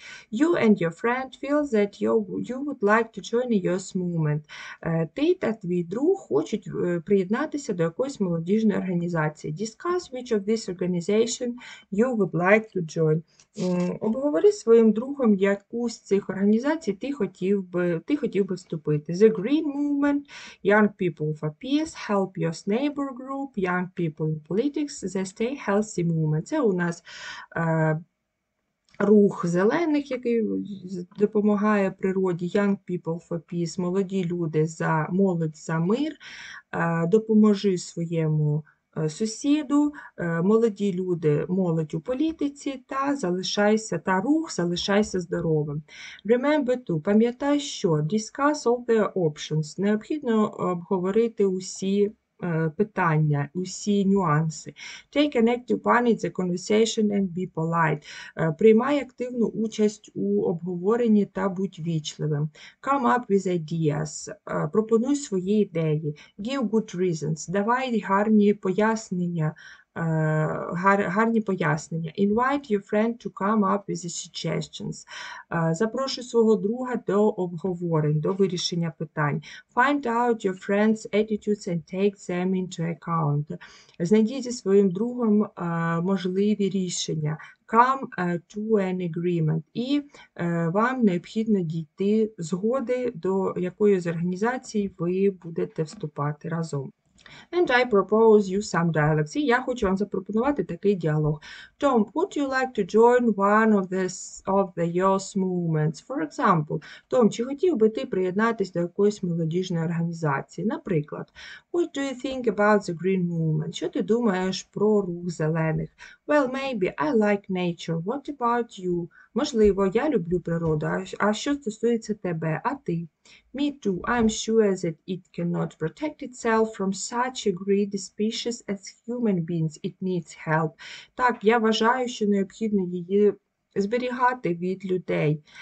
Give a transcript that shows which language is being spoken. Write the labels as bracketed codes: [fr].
[en] You and your friend feel that you would like to join a youth movement. [uk] Ти та твій друг хочуть приєднатися до якоїсь молодіжної організації. [en] Discuss which of this organization you would like to join. [uk] Обговори з своїм другом, яку з цих організацій ти хотів би вступити. [en] The Green Movement, Young People for Peace, Help Your Neighbor Group, Young People in Politics, The Stay Healthy Movement. [uk] Це у нас рух зелених, який допомагає природі, [en] Young People for Peace, [uk] молоді люди за молодь за мир, допоможи своєму сусіду, молоді люди, молодь у політиці та рух залишайся здоровим. [en] Remember to, [uk] пам'ятай що, [en] discuss all the options, [uk] необхідно обговорити усі питання, усі нюанси. [en] Take an active part in the conversation and be polite. [uk] Приймай активну участь у обговоренні та будь вічливим. [en] Come up with ideas. [uk] Пропонуй свої ідеї. [en] Give good reasons. [uk] Давай гарні пояснення. [en] Invite your friend to come up with the suggestions. [uk] Запрошуй свого друга до обговорень, до вирішення питань. [en] Find out your friend's attitudes and take them into account. [uk] Знайдіть зі своїм другом можливі рішення. [en] Come to an agreement. [uk] І вам необхідно дійти згоди, до якої з організацій ви будете вступати разом. [en] And I propose you some dialogues. [uk] Я хочу вам запропонувати такий діалог. [en] Tom, would you like to join one of the youth movements? For example, [uk] Tom, чи хотів би ти приєднатися до якоїсь молодіжної організації? Наприклад, [en] what do you think about the green movement? [uk] Що ти думаєш про рух зелених? [en] Well, maybe I like nature. What about you? [uk] Можливо, я люблю природу. А що стосується тебе? А ти? [en] Me too. I'm sure that it cannot protect itself from such a greedy species as human beings. It needs help. [uk] Так, я вважаю, що необхідно її зберігати від людей.